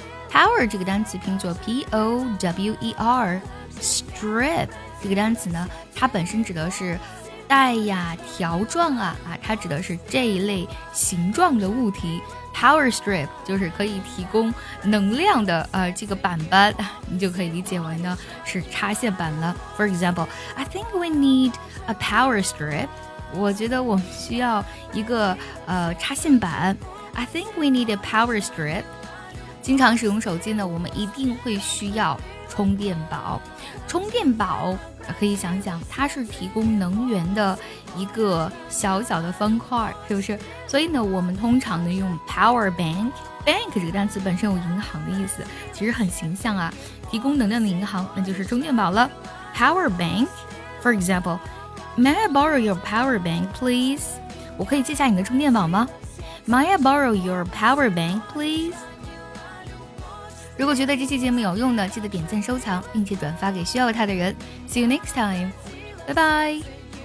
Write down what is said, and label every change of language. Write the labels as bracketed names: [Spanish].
[Chinese] power 这个单词拼作 p-o-w-e-r strip 这个单词呢，它本身指的是带呀条状啊，它指的是这一类形状的物体。 Power strip 就是可以提供能量的这个板板，你就可以理解为呢是插线板了。 [English] For example, I think we need a power strip. [Chinese] 我觉得我们需要一个插线板。 [English] I think we need a power strip. [Chinese] 经常使用手机呢，我们一定会需要充电宝。充电宝可以想想，它是提供能源的一个小小的方块，是不是？所以呢，我们通常呢用 power bank。bank 这个单词本身有银行的意思，其实很形象啊，提供能量的银行，那就是充电宝了。 [English] power bank. For example, may I borrow your power bank please? [Chinese] 我可以借下你的充电宝吗？ [English] May I borrow your power bank please? [Chinese] 如果觉得这期节目有用的，记得点赞收藏，并且转发给需要它的人。 [English] See you next time. Bye bye.